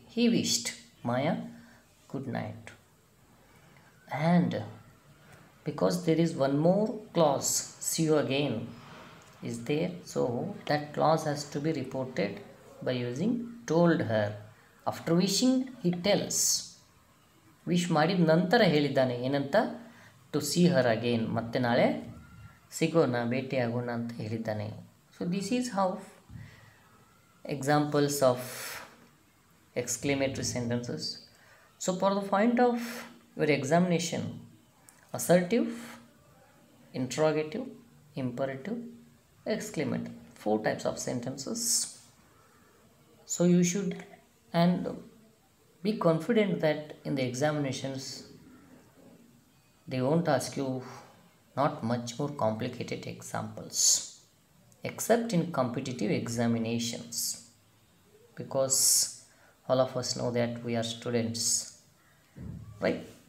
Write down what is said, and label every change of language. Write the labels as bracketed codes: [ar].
[en] He wished Maya good night. And because there is one more clause, see you again, is there. So that clause has to be reported by using told her. After wishing, he tells. [kn] Wish ಮಾಡಿದ ನಂತರ ಹೇಳಿದ್ದಾನೆ ಏನಂತ, [en] to see her again, [kn] ಮತ್ತೆ ನಾಳೆ ಸಿಗೋಣ, ಭೇಟಿಯಾಗೋಣ ಅಂತ ಹೇಳಿದ್ದಾನೆ. [en] So this is how examples of exclamatory sentences. So for the point of your examination, assertive, interrogative, imperative, exclamatory, four types of sentences. So you should and be confident that in the examinations they won't ask you not much more complicated examples, except in competitive examinations, because all of us know that we are students, right?